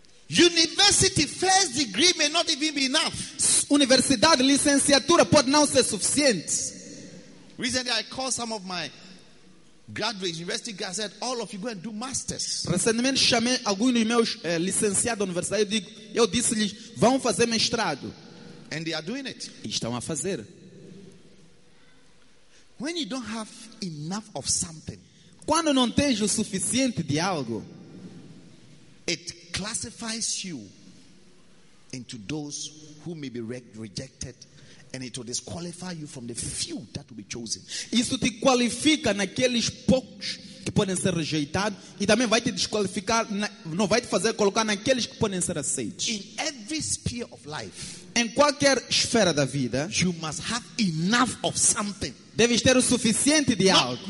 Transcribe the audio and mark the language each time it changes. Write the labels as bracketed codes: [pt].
[en] University first degree may not even be enough. [pt] Universidade, licenciatura pode não ser suficiente. [en] Recently I called some of my graduates, university graduates, said all of you go and do masters. [pt] Recentemente chamei alguns dos meus licenciados da universidade e eu disse-lhes vão fazer mestrado. [en] And they are doing it. [pt] E estão a fazer. [en] When you don't have enough of something, [pt] quando não tens o suficiente de algo, [en] it classifies you into those who may be rejected, and it will disqualify you from the few that will be chosen. [pt] Isso te qualifica naqueles poucos que podem ser rejeitados e também vai te desqualificar, não vai te fazer colocar naqueles que podem ser aceitos. [en] In every sphere of life, [pt] em qualquer esfera da vida, [en] you must have enough of something. [pt] Deves ter o suficiente de algo.